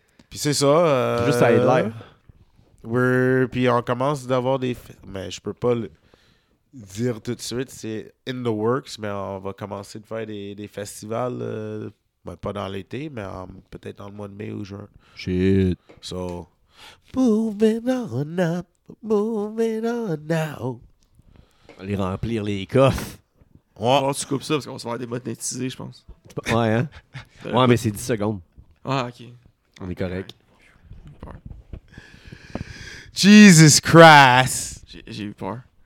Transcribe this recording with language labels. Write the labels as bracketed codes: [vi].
[fr] Puis c'est ça. Juste à headline. Oui, puis on commence d'avoir des... Mais je peux pas... dire tout de suite, c'est [en] in the works, [fr] mais on va commencer de faire des festivals, ben pas dans l'été, mais peut-être dans le mois de mai ou juin. [en] Shit. So, moving on up, moving on now. [fr] Aller remplir les coffres. Ouais. Oh, tu coupes ça parce qu'on va se faire démonétiser, je pense. Ouais, hein? Ouais, mais coup. C'est 10 secondes. Ah, OK. On est correct. Ouais. Jesus Christ! J'ai eu peur.